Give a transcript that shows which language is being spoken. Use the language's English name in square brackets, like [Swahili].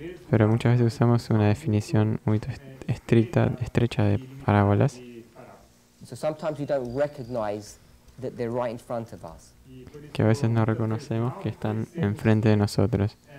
[Spanish] Pero muchas veces usamos una definición muy estrecha de parábolas. [English] So sometimes we don't recognize that they're right in front of us. [Spanish] Que a veces no reconocemos que están enfrente de nosotros.